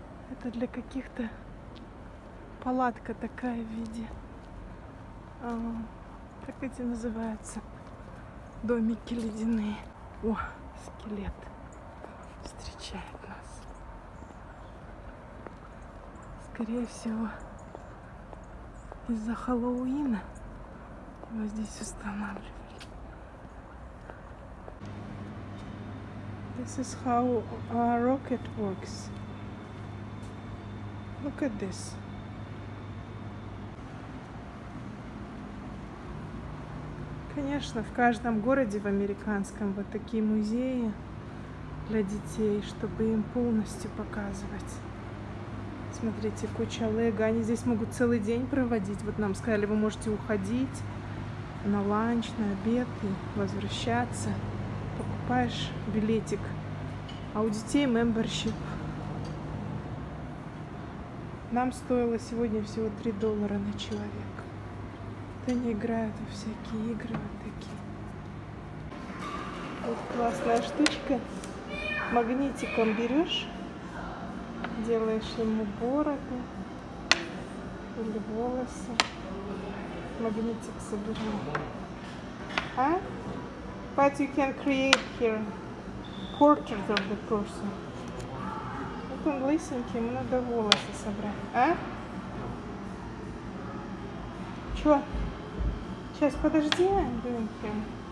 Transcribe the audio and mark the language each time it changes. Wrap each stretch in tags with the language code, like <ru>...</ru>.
<ru>Это для каких-то палатка такая в виде, как эти называются, домики ледяные. О, скелет встречает нас. Скорее всего, из-за Хэллоуина его здесь устанавливали.</ru> <en>This is how a rocket works. Look at this.</en> <ru>Конечно, в каждом городе в американском вот такие музеи для детей, чтобы им полностью показывать. Смотрите, куча лего. Они здесь могут целый день проводить. Вот нам сказали, вы можете уходить на ланч, на обед и возвращаться. Покупаешь билетик, а у детей membership. Нам стоило сегодня всего $3 на человека. Да не играют во всякие игры вот такие. Вот классная штучка. Магнитиком берешь, делаешь ему бороду или волосы. Магнитик соберем. А?</ru> <en>But you can create here portrait of the person.</en> <ru>Вот он лысенький, ему надо волосы собрать. А? Чё? Сейчас подожди,</ru> <en>I'm doing here.</en>